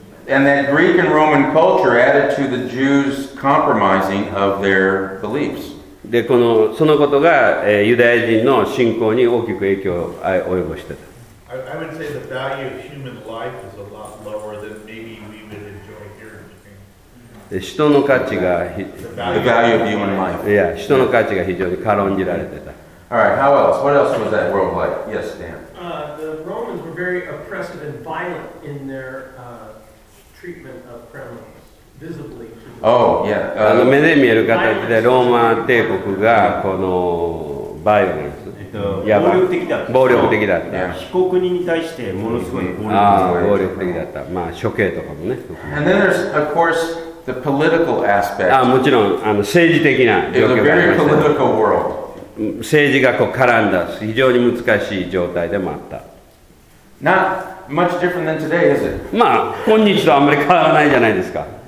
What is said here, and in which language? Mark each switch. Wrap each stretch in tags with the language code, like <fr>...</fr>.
<en>And that Greek and Roman culture added to the Jews' compromising of their beliefs.</en> <ja>で、そのことが、ユダヤ人の信仰に大きく影響を及ぼしてた。</ja> <en>I would say the value of human life is a lot lower than maybe we would enjoy here in Japan.</en> <ja>人の価値が</ja> <en>The value of human life.</en> <ja>Yeah, 人の価値が非常に軽んじられてた。</ja> <en>All right, how else? What else was that world like? Yes, Dan. The Romans were very oppressive and violent in their treatment of criminals. Oh, yeah.</en> <ja>目で見える形でローマ帝国がこのバイオレンス、暴力的だった。</ja> <en>Yeah.</en> <ja>被告人に対してものすごい暴力的だった。まあ処刑とかもね。</ja> <en>And then there's of course the political aspect.</en> <ja>もちろんあの政治的な状況がありました。</ja> <en>It's a very political world.</en> <ja>政治がこう絡んだ非常に難しい状態でもあった。</ja> <en>Not much different than today, is it?</en> <ja>まあ今日とあんまり変わらないじゃないですか。</ja>